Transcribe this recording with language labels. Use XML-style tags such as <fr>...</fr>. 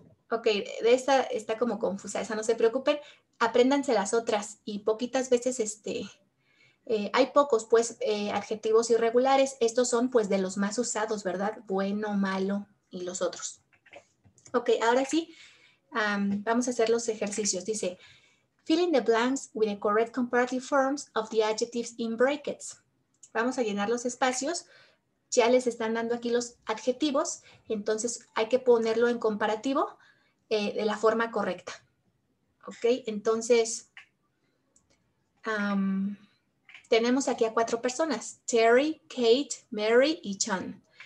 <es>Ok, de esta está como confusa, esa no se preocupen, apréndanse las otras y poquitas veces hay pocos, pues, adjetivos irregulares. Estos son, pues, de los más usados, ¿verdad? Bueno, malo y los otros. Ok, ahora sí, vamos a hacer los ejercicios. Dice,</es> <en>fill in the blanks with the correct comparative forms of the adjectives in brackets.</en> <es>Vamos a llenar los espacios. Ya les están dando aquí los adjetivos. Entonces, hay que ponerlo en comparativo de la forma correcta. Ok, entonces... tenemos aquí a cuatro personas, Terry, Kate, Mary y John.</es>